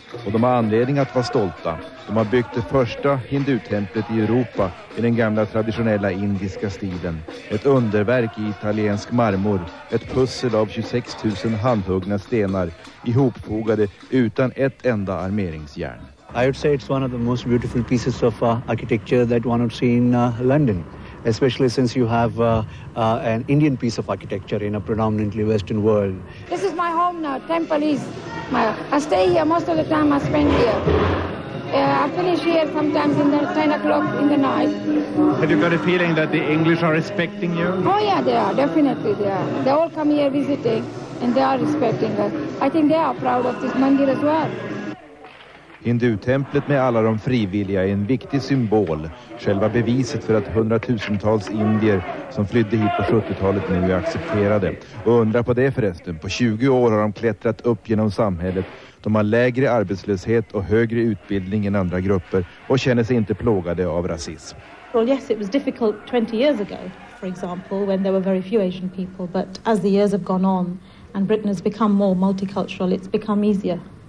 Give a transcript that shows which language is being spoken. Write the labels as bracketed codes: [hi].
[sv] Och de har anledning att vara stolta. De har byggt det första hindutemplet i Europa i den gamla traditionella indiska stilen. Ett underverk i italiensk marmor. Ett pussel av 26 000 handhuggna stenar ihopfogade utan ett enda armeringsjärn. [en] I would say it's one of the most beautiful pieces of architecture that one would see in London. Especially since you have an Indian piece of architecture in a predominantly Western world. This is my home now, temple is. I stay here most of the time, I spend here. I finish here sometimes in the 10 o'clock in the night. Have you got a feeling that the English are respecting you? Oh yeah, they are, definitely they are. They all come here visiting and they are respecting us. I think they are proud of this mandir as well. [sv] Hindutemplet med alla de frivilliga är en viktig symbol, själva beviset för att hundratusentals indier som flydde hit på 70-talet nu är accepterade. Och undra på det förresten, på 20 år har de klättrat upp genom samhället. De har lägre arbetslöshet och högre utbildning än andra grupper och känner sig inte plågade av rasism. [en] Well yes, it was difficult 20 years ago, for example, when there were very few Asian people, but as the years have gone on and Britain has become more multicultural, it's become easier.